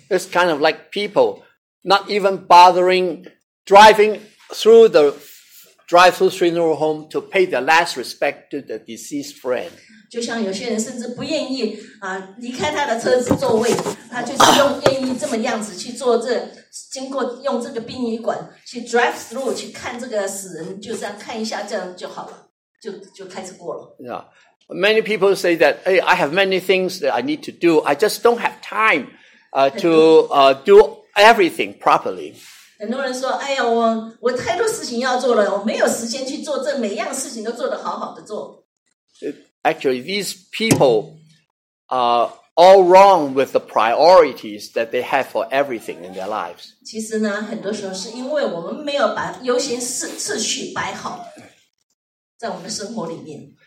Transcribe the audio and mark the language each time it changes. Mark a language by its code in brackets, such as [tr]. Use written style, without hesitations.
[en] It's kind of like people not even bothering driving through the drive-through funeral home to pay their last respect to the deceased friend. [zh] 就像有些人甚至不愿意离开他的车子座位，他就是愿意这么样子去做这经过用这个殡仪馆去 drive through 去看这个死人，就这样看一下这样就好了，就开始过了。 [en] Yeah, many people say that, hey, I have many things that I need to do. I just don't have time to do everything properly. [zh] 很多人说，哎呀，我太多事情要做了，我没有时间去做这每样事情都做得好好的做。 [en] Actually, these people are all wrong with the priorities that they have for everything in their lives. [zh] 其实呢，很多时候是因为我们没有把优先次序摆好，在我们的生活里面。